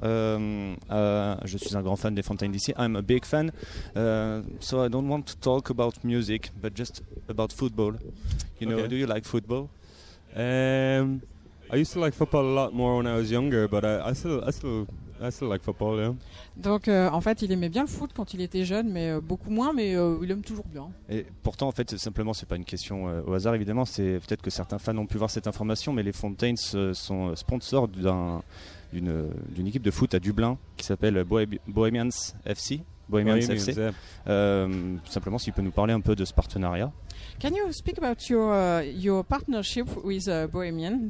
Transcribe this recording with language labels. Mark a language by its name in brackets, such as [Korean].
[French] Je suis un grand fan des Fontaines D.C. [English] I'm a big fan. So I don't want to talk about music, but just about football. You know, do you like football? I used to like football a lot more when I was younger, but I still like football, yeah. [French] Donc, en fait, il aimait bien le foot quand il était jeune, mais beaucoup moins, mais il aime toujours bien. Et pourtant, en fait, simplement, c'est pas une question au hasard, évidemment. C'est peut-être que certains fans ont pu voir cette information, mais les Fontaines sont sponsors d'une équipe de foot à Dublin qui s'appelle Bohemians FC. Bohemians FC. Yeah. Simplement, s'il peut nous parler un peu de ce partenariat. [English] Can you speak about your partnership with Bohemian?